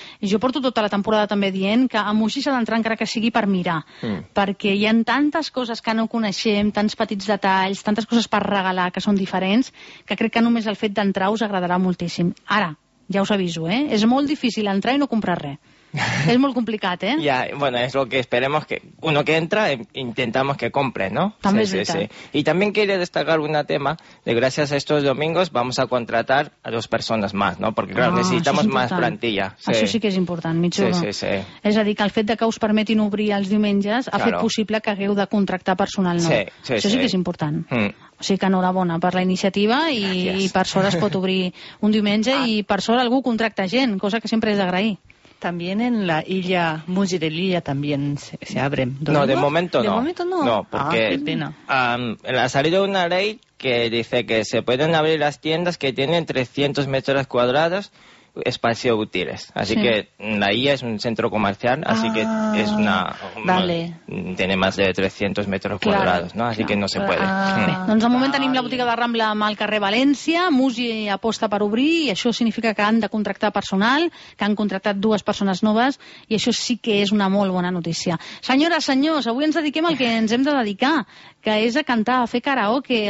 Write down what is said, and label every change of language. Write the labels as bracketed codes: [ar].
[ca] Jo porto tota la temporada també dient que a Muji s'ha d'entrar encara que sigui per mirar. Perquè hi ha tantes coses que no coneixem, tants petits detalls, tantes coses per regalar que són diferents, que crec que només el fet d'entrar us agradarà moltíssim. Ara, ja us aviso, eh? És molt difícil entrar i no comprar res. És molt complicat, eh? [es] Ja, bueno, és lo que esperemos que uno que entra intentamos que compre, ¿no? [ca] També sí, és veritat. Sí, sí. [es] Y también quería destacar un tema de gracias a estos domingos vamos a contratar a dos personas más, ¿no? Porque, claro, necesitamos más plantilla. Sí. [ca] Això sí que és important, Mitjuro. Sí, sí, sí. És a dir, que el fet de que us permetin obrir els diumenges ha fet possible que hagueu de contractar personal nou. Sí, sí, això sí. Això sí que és important. O sigui que enhorabona per la iniciativa i per sort es pot obrir un diumenge i per sort algú contracta gent, cosa que sempre és d'agrair. [es] También en la isla Muji de Lilla también se abren. ¿Domingos? No, de momento no. De momento no. No, porque ha salido una ley que dice que se pueden abrir las tiendas que tienen 300 metros cuadrados espacio útiles. Así sí, que la isla es un centro comercial, así que es una... Vale. Tiene más de 300 metros cuadrados, ¿no? Así que no se puede. [ca] Doncs de moment tenim la botiga de Rambla amb el carrer València, Muji aposta per obrir, i això significa que han de contractar personal, que han contractat dues persones noves, i això sí que és una molt bona notícia. Senyores, senyors, avui ens dediquem al que ens hem de dedicar, que és a cantar, a fer karaoke.